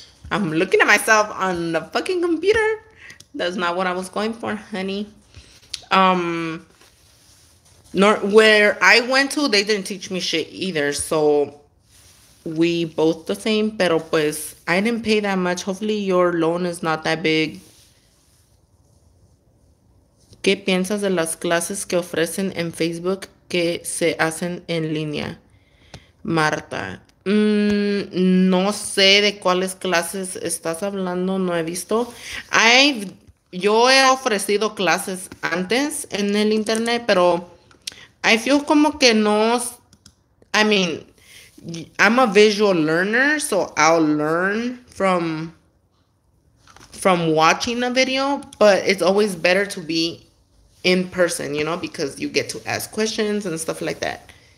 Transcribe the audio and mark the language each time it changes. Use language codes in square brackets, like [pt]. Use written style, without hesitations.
[en] I'm looking at myself on the fucking computer. That's not what I was going for, honey. Where I went to, they didn't teach me shit either, so we both the same, [es] pero pues, [en] I didn't pay that much. Hopefully, your loan is not that big. [es] ¿Qué piensas de las clases que ofrecen en Facebook que se hacen en línea? Marta. No sé de cuáles clases estás hablando, no he visto. Yo he ofrecido clases antes en el internet, pero [en] I feel [es] como que no, [en] I mean, I'm a visual learner, so I'll learn from watching a video, but it's always better to be in person, you know, because you get to ask questions and stuff like that.